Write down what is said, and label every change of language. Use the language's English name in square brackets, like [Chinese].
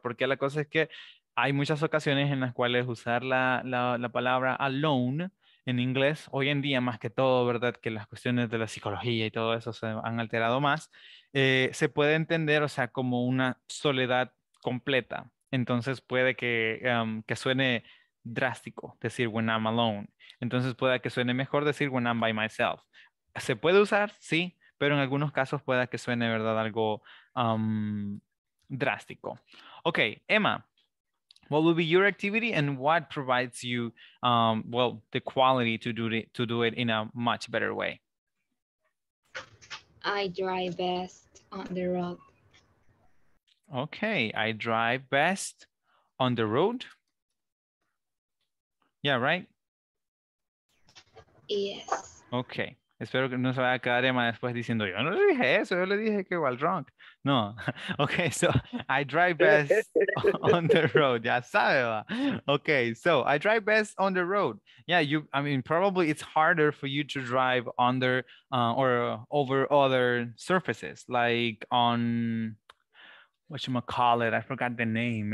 [Spanish] Porque la cosa es que hay muchas ocasiones en las cuales usar la palabra alone en inglés, hoy en día más que todo, ¿verdad?, que las cuestiones de la psicología y todo eso se han alterado más, se puede entender, o sea, como una soledad completa. Entonces puede que suene drástico decir [English] when I'm alone. [Spanish] Entonces puede que suene mejor decir [English] when I'm by myself. [Spanish] Se puede usar, sí, pero en algunos casos pueda que suene, ¿verdad?, algo drástico. [English] Okay, Emma, what would be your activity and what provides you, well, the quality to do it in a much better way? I drive best on the road. Okay, I drive best on the road. Yeah, right? Yes. Okay. [Spanish] Espero que no se vaya a quedar Emma después diciendo, yo no le dije eso, yo le dije que igual drunk. No. [English] Okay, so I drive best on the road. [Spanish] Ya sabe, va. [English] Okay, so I drive best on the road. Yeah, probably it's harder for you to drive under or over other surfaces, like on, whatchamacallit, I forgot the name.